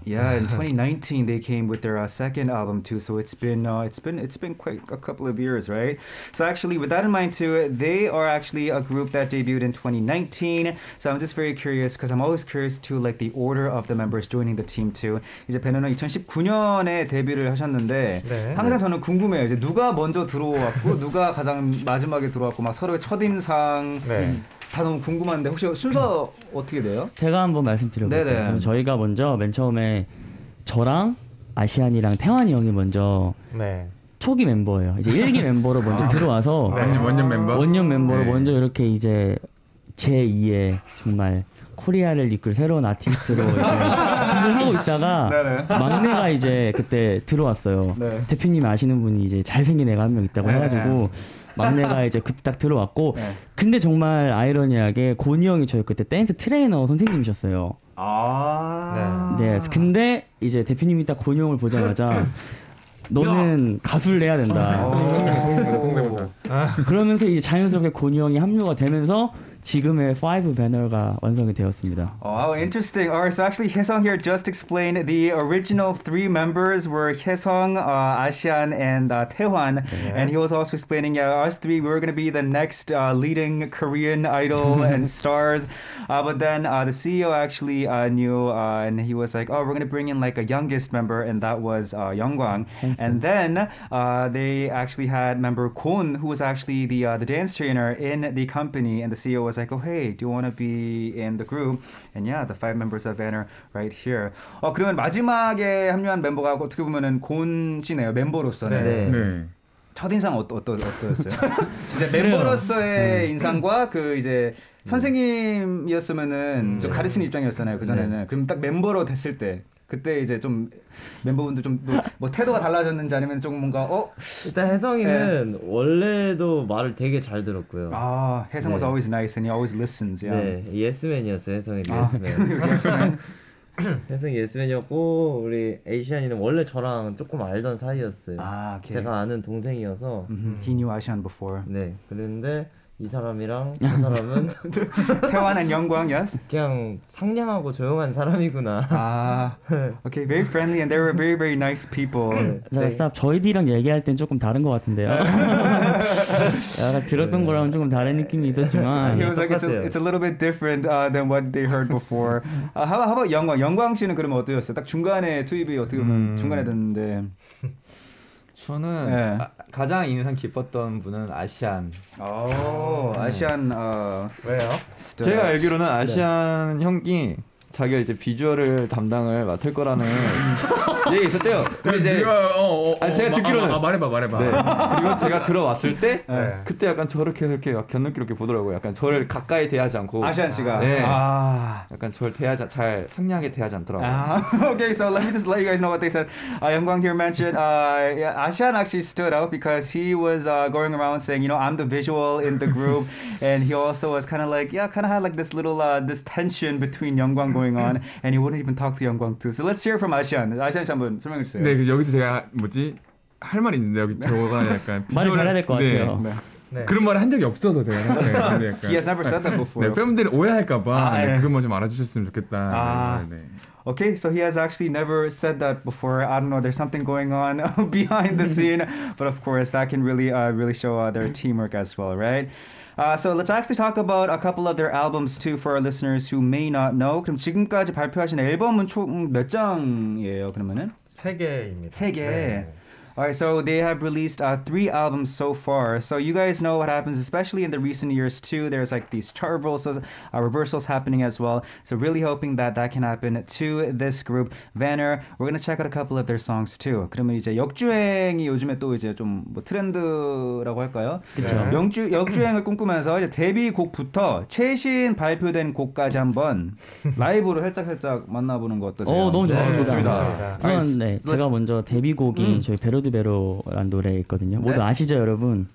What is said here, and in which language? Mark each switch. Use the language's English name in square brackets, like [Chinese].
[English] Yeah, in 2019 they came with their second album too. So it's been quite a couple of years, right? So actually, with that in mind too, they are actually a group that debuted in 2019. So I'm just very curious because I'm always curious to like the order of the members joining the team too. [Korean] 이제 배너는 2019년에 데뷔를 하셨는데 네. 항상 저는 궁금해요. 이제 누가 먼저 들어왔고 누가 가장 마지막에 들어왔고 막 서로의 첫인상. 네. 다 너무 궁금한데 혹시 순서 어떻게 돼요? 제가 한번 말씀드려볼게요. 저희가 먼저 맨 처음에 저랑 아시안이랑 태환이 형이 먼저 네. 초기 멤버예요. 이제 1기 멤버로 먼저 들어와서 네. 원년 멤버? 원년 멤버로 네. 먼저 이렇게 이제 제2의 정말 코리아를 이끌 새로운 아티스트로 준비를 하고 있다가 네네. 막내가 이제 그때 들어왔어요. 네. 대표님 아시는 분이 이제 잘생긴 애가 한 명 있다고 네. 해가지고 막내가 이제 그때 딱 들어왔고 네. 근데 정말 아이러니하게 고니 형이 저희 그때 댄스 트레이너 선생님이셨어요. 아~ 네. 네. 근데 이제 대표님이 딱 고니 형을 보자마자 너는 야. 가수를 해야 된다. 그러면서 이제 자연스럽게 고니 형이 합류가 되면서 지금의 5 배너가 완성이 되었습니다. [English] Oh, wow, interesting. All right, so actually, Hyesung here just explained the original three members were Hyesung, Asian, and Taehwan. Yeah. And he was also explaining, yeah, us three, we were going to be the next leading Korean idol and stars. But then the CEO actually knew, and he was like, oh, we're going to bring in like a youngest member, and that was Youngwang. And then they actually had member Kun, who was actually the dance trainer in the company, and the CEO was like, oh, hey, do you want to be in the group? And yeah, the five members of Vanner right here. [Korean] 그러면 마지막에 합류한 멤버가 어떻게 보면은 곤 씨네요, 멤버로서는. 네. 네. 첫인상 어떠셨어요? 진짜 멤버로서의 인상과 그 이제 선생님이었으면은 저 가르치는 입장이었잖아요, 그전에는. 네. 그럼 딱 멤버로 됐을 때. 그때 이제 좀 멤버분들 좀 뭐 태도가 달라졌는지 아니면 조금 뭔가 일단 혜성이는 네. 원래도 말을 되게 잘 들었고요. [English] 아, 혜성 네. was always nice and he always listens. Yeah. [Korean] 네, 예스맨이었어요, 혜성이. 예스맨. 예스맨. 혜승이 예스맨이었고 우리 아시안이는 원래 저랑 조금 알던 사이였어요. 아, 오케이. 제가 아는 동생이어서 [English] He knew Asian before. [Korean] 네, 그랬는데 이 사람이랑 그 사람은 태환한 영광, [English] yes? [Korean] 그냥 상냥하고 조용한 사람이구나. [English] 아, okay, very friendly and they were very, very nice people. [Korean] 제가 stop, 저희들이랑 얘기할 땐 조금 다른 것 같은데요. 약간 들었던 거랑은 조금 다른 느낌이 있었지만 [English] It was like it's a little bit different than what they heard before. How about 영광? [Korean] 영광 씨는 그러면 어떠셨어요? 딱 중간에 투입이 어떻게 보면 중간에 됐는데 저는 네. 가장 인상 깊었던 분은 아시안. 오, 아시안. 왜요? 제가 알기로는 아시안 네. 형이 자기가 이제 비주얼을 담당을 맡을 거라는 얘기 있었대요. 근데 이제 제가 듣기로는 말해봐. 네. 그리고 제가 들어왔을 때 네. 그때 약간 저렇게 이렇게 견눈기롭게 보더라고요. 약간 저를 가까이 대하지 않고 아시안 씨가 네. 아. 약간 저를 대하지 잘 상냥하게 대하지 않더라고요. [English] 아. Okay, so let me just let you guys know what they said. Yeongwang here mentioned yeah, Asian actually stood out because he was going around saying, you know, I'm the visual in the group, and he also was kind of like, yeah, kind of had like this little this tension between Yeongwang. going on and he wouldn't even talk to Yeongwang too. So let's hear from Asian. Asian [Korean] 한번 설명해 주세요. 네, 여기서 제가 뭐지? 할 말이 있는데 여기 저가 약간 말 잘해야 될 것 같아요. 네. 네. 그런 말을 한 적이 없어서 제가 네, 약간, [English] He has never said that before. [Korean] 네, 팬분들이 오해할까 봐 아, 네. 그것만 좀 알아주셨으면 좋겠다. 아. 네. [English] Okay, so he has actually never said that before. I don't know, there's something going on behind the scene, but of course that can really really show their teamwork as well, right? So let's actually talk about a couple of their albums too for our listeners who may not know. [Korean] 그럼 지금까지 발표하신 앨범은 총 몇 장이에요? 그러면은 세 개입니다. 세 개. 네. [English] All right, so they have released three albums so far. So you guys know what happens, especially in the recent years too. There's like these chart reversals, reversals happening as well. So really hoping that that can happen to this group, Vanner. We're gonna check out a couple of their songs too. [Korean] 그러면 이제 역주행이 요즘에 또 이제 좀 뭐 트렌드라고 할까요? 그렇죠. 네. 역주행을 꿈꾸면서 이제 데뷔곡부터 최신 발표된 곡까지 한번 라이브로 살짝 만나보는 거 어떠세요? 오, 너무 좋습니다. 좋습니다. 우선 네, 제가 먼저 데뷔곡이 저희 배로 Better Do Better라는 노래 있거든요. 모두 네. 아시죠, 여러분?